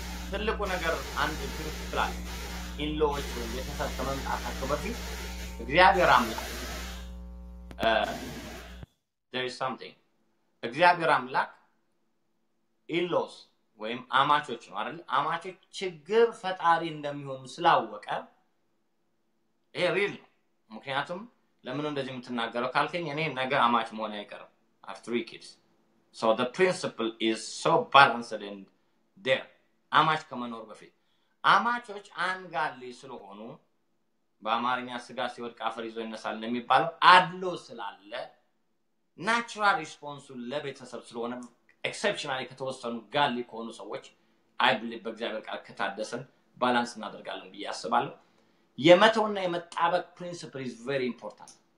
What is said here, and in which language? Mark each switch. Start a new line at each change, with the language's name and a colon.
Amharic: ትልቁ ነገር አንድ ፕሪንሲፕል አለ ኢንሎች ወይም የተሰብ ከመምጣታቸው በፊት እግዚአብሔር አምላክ
English: there is something
Amharic: እግዚአብሔር አምላክ ኢንሎስ ወይም አማቾች ነው አይደል? አማቾች ችግር ፈጣሪ እንደሚሆኑ ስላወቀ ይሄ ሪል ነው። ምክንያቱም ለምን እንደዚህ የምትናገረው ካልከኝ እኔ ነገ አማች መሆን አይቀርም።
English: I've three kids. So the principle is so balanced in there.
Amharic: አማች ከመኖር በፊት አማቾች አንጋሌ ስለሆኑ በአማርኛ ስጋ ሲወድቅ አፈር ይዞ ይነሳል እንደሚባለው አድሎ ስላለ ናቹራል ሪስፖንሱ ለቤተሰብ ስለሆነ exceptionally ከተወሰኑ ጋሊ ከሆኑ ሰዎች አይ ብሊቭ በእግዚአብሔር ቃል ከታደሰን ባላንስ እናደርጋለን ብዬ አስባለሁ። የመተውና የመጣበቅ
English: principle is very important.